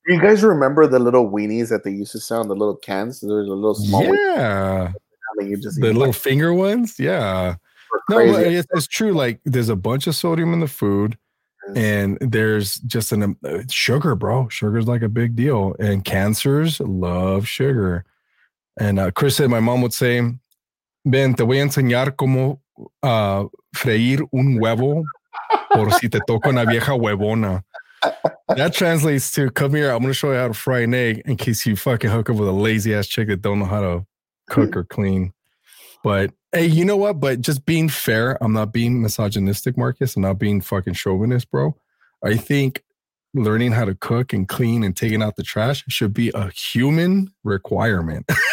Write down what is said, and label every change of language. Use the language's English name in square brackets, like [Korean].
[English] You guys remember the little weenies that they used to sell in the little cans? There was a little small. Yeah. I mean, you just the little finger ones. Yeah. No, it's true. Like, there's a bunch of sodium in the food, and there's just an sugar, bro. Sugar's like a big deal. And cancers love sugar. And Chris said, my mom would say, [Spanish] Ben, te voy a enseñar cómo freír un huevo por si te toca una vieja huevona. [English] That translates to, come here, I'm going to show you how to fry an egg in case you fucking hook up with a lazy ass chick that don't know how to cook or clean. But hey, you know what? But just being fair, I'm not being misogynistic, Marcus. I'm not being fucking chauvinist, bro. I think learning how to cook and clean and taking out the trash should be a human requirement.